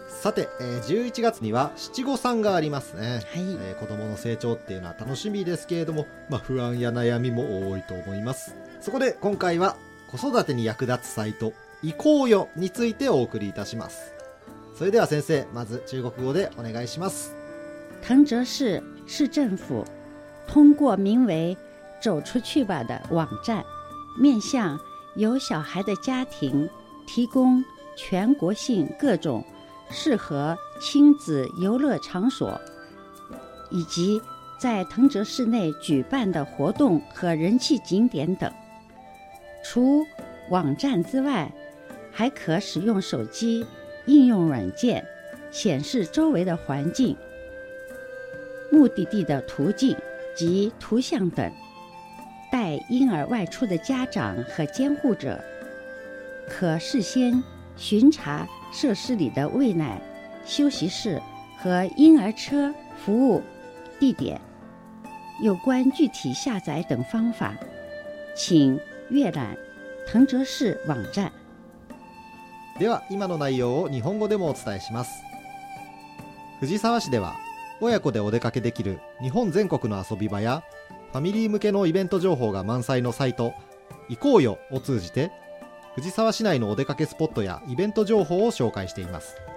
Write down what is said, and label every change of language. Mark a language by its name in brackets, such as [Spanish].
[Japanese] さて、11月には七五三がありますね、はい。子供の成長っていうのは楽しみですけれども、不安や悩みも多いと思います。そこで今回は子育てに役立つサイト行こうよについてお送りいたします。それでは先生、まず中国語でお願いします。 [Chinese] 唐哲市市政府通过名为走出去吧的网站，面向有小孩的家庭提供全国性各种适合亲子游乐场所，以及在唐哲市内举办的活动和人气景点等。除网站之外，还可使用手机应用软件显示周围的环境、目的地的途径及图像等。带婴儿外出的家长和监护者可事先巡查设施里的喂奶、休息室和婴儿车服务地点。有关具体下载等方法，请阅览藤泽市网站。 [Japanese] では今の内容を日本語でもお伝えします。藤沢市では親子でお出かけできる日本全国の遊び場やファミリー向けのイベント情報が満載のサイト行こうよを通じて、藤沢市内のお出かけスポットやイベント情報を紹介しています。